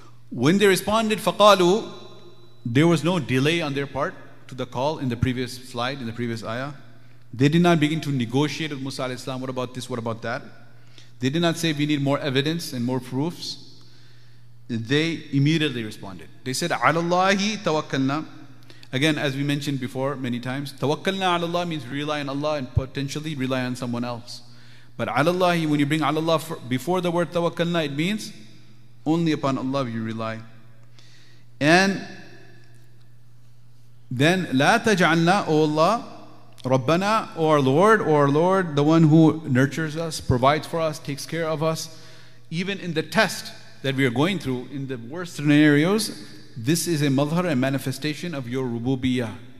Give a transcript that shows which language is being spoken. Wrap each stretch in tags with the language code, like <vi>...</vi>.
<en>When they responded, فَقَالُوا, there was no delay on their part to the call in the previous slide, in the previous ayah. They did not begin to negotiate with Musa al-Islam, what about this, what about that. They did not say, we need more evidence and more proofs. They immediately responded. They said,</en> <ar>عَلَى اللَّهِ تَوَكَّلْنَا.</ar> <en>Again, as we mentioned before many times, tawakkalna ala Allah means rely on Allah and potentially rely on someone else. But ala Allah, when you bring ala Allah before the word tawakkalna, it means only upon Allah you rely. And then, la taj'alna, O Allah, Rabbana, O our Lord, the one who nurtures us, provides for us, takes care of us, even in the test that we are going through, in the worst scenarios, this is a madhar, a manifestation of your rububiyah.</en>